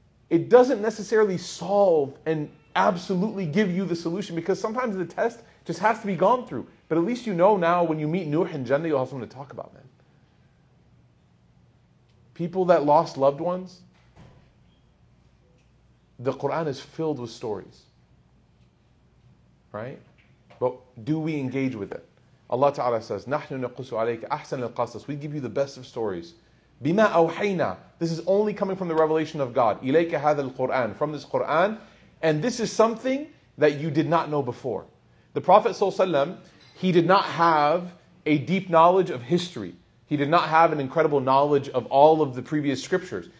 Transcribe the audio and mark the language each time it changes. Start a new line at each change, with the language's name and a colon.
English: It doesn't necessarily solve and absolutely give you the solution, because sometimes the test just has to be gone through. But at least you know now when you meet Nuh in Jannah, you'll have something to talk about, man. People that lost loved ones, the Quran is filled with stories. Right? But do we engage with it? Allah Ta'ala says,
Arabic: نَحْنُ نَقُصُ عَلَيْكَ أَحْسَنَ الْقَصَصِ.
English: We give you the best of stories.
Arabic: بِمَا أَوْحَيْنَا.
English: This is only coming from the revelation of God.
Arabic: إِلَيْكَ هَذَا الْقُرْآنِ.
English: From this Quran. And this is something that you did not know before. The Prophet ﷺ, he did not have a deep knowledge of history. He did not have an incredible knowledge of all of the previous scriptures.